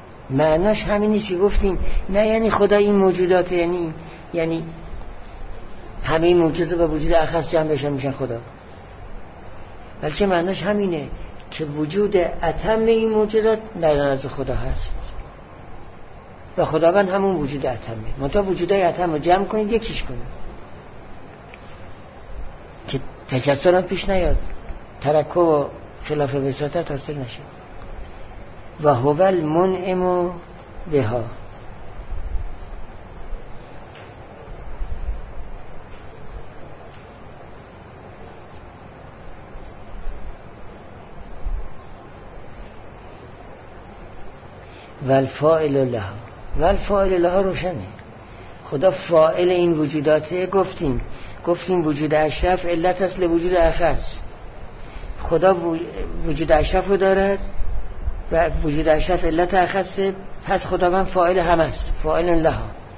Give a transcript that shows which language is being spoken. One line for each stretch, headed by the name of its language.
Persian: معناش همین نیست که گفتیم نه یعنی خدا این موجوداته، یعنی همه این موجودات به وجود اخص جمع بشن میشن خدا، بلکه معناش همینه که وجود اتم این موجودات در نزد خدا هست و خداوند همون وجود اتمه. ما تا وجودای اتم رو جمع کنید یکیش کنید که تکثرات پیش نیاد، ترکب و خلاف وساطت حاصل نشه.
Arabic: و هو المنعم بها، و الفاعل لها. والفاعل لها
Persian: روشنه، خدا فاعل این وجوداته. گفتیم وجود اشرف علت اصل وجود اخص، خدا وجود اشرف رو دارد و وجود اشرف علت اخصه، پس خدا من فاعل هم است، فاعل لها.